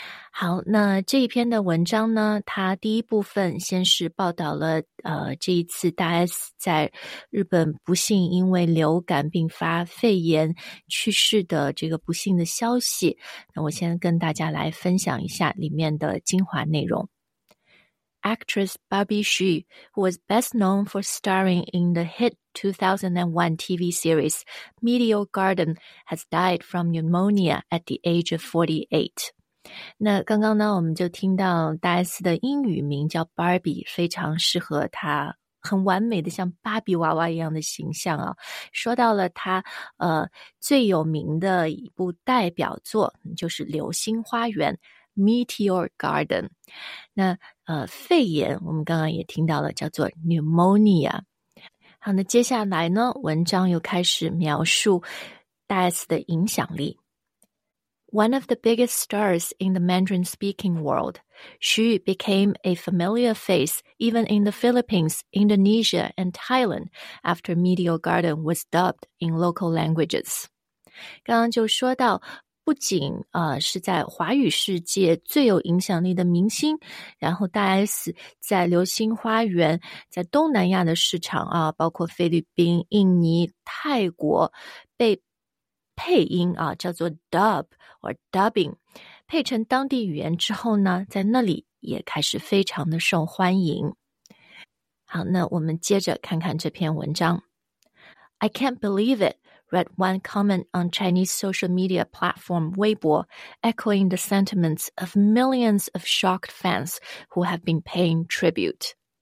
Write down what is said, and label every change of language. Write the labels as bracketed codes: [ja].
[zh] 好，那这一篇的文章呢，它第一部分先是报道了这一次大 S 在日本不幸因为流感并发肺炎去世的这个不幸的消息。那我先跟大家来分享一下里面的精华内容。 [en] Actress Barbie Xu, who was best known for starring in the hit 2001 TV series Meteor Garden, has died from pneumonia at the age of 48. [zh] 那刚刚呢，我们就听到大 S 的英语名叫 Barbie， 非常适合她很完美的像芭比娃娃一样的形象啊。说到了她最有名的一部代表作，就是《流星花园》（Meteor Garden）。那肺炎，我们刚刚也听到了，叫做 pneumonia。好，那接下来呢，文章又开始描述大 S 的影响力。 [en] One of the biggest stars in the Mandarin-speaking world, Xu became a familiar face even in the Philippines, Indonesia, and Thailand after Meteor Garden was dubbed in local languages. [zh] 刚刚就说到，不仅是在华语世界最有影响力的明星，然后大 S 在《流星花园》在东南亚的市场啊，包括菲律宾、印尼、泰国被配音啊，叫做 [en] dub or dubbing， [zh] 配成当地语言之后呢，在那里也开始非常的受欢迎。好，那我们接着看看这篇文章。 [en] I can't believe it, read one comment on Chinese social media platform Weibo, echoing the sentiments of millions of shocked fans who have been paying tribute.